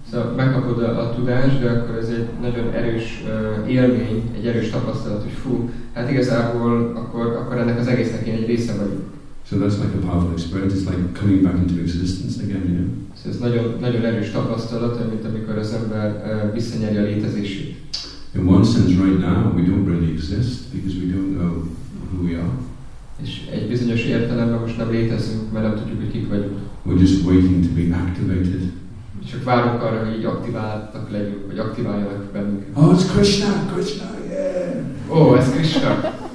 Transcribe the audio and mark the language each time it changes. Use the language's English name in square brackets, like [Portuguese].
[Hungarian] So megkapod a tudás, de akkor ez egy nagyon erős élmény, egy erős tapasztalat, hogy fú, hát igazából akkor ennek az egésznek én egy része vagyok. [English] So that's like a powerful experience, it's like coming back into existence again, you know. [Hungarian] So ez nagyon, nagyon erős tapasztalat, mint amikor az ember visszanyeri a létezését. [English] In one sense, right now, we don't really exist because we don't know who we are. [Hungarian] És egy bizonyos értelemben most nem létezünk, mert nem tudjuk, hogy kik vagyunk. [English] We're just waiting to be activated. [Hungarian] Csak várunk arra, hogy így aktiváltak legyünk, vagy aktiváljanak bennünk. [English] Oh, it's Krishna! Krishna, yeah! Oh, it's Krishna!